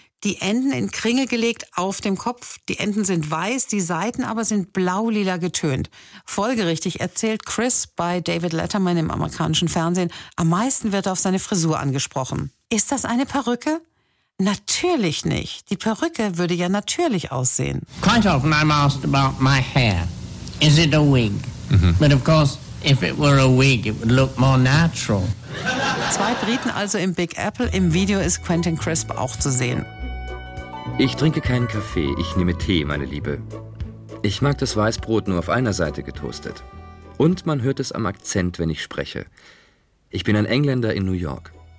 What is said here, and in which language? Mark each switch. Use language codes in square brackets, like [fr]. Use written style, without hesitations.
[de] Die Enden in Kringel gelegt auf dem Kopf. Die Enden sind weiß, die Seiten aber sind blau-lila getönt. Folgerichtig erzählt Chris bei David Letterman im amerikanischen Fernsehen, am meisten wird er auf seine Frisur angesprochen. Ist das eine Perücke? Natürlich nicht. Die Perücke würde ja natürlich aussehen. [en] Quite often I'm asked about my hair. Is it a wig? Mm-hmm. But of course, if it were a wig, it would look more natural. [de] Zwei Briten also im Big Apple. Im Video ist Quentin Crisp auch zu sehen. Ich trinke keinen Kaffee, ich nehme Tee, meine Liebe. Ich mag das Weißbrot nur auf einer Seite getoastet. Und man hört es am Akzent, wenn ich spreche. Ich bin ein Engländer in New York.